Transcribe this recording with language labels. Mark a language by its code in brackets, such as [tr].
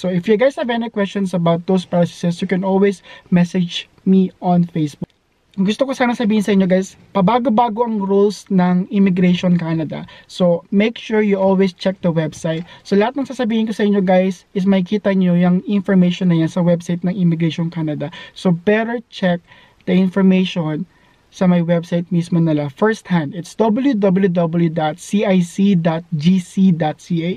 [en] So, if you guys have any questions about those processes, you can always message me on Facebook. [tl] Gusto ko sana sabihin sa inyo guys, pabago-bago ang rules ng Immigration Canada. [en] So, make sure you always check the website. [tl] So, lahat ng sasabihin ko sa inyo guys is makita niyo yung information na yan sa website ng Immigration Canada. [en] So, better check the information sa my website mismo nala first hand. It's www.cic.gc.ca.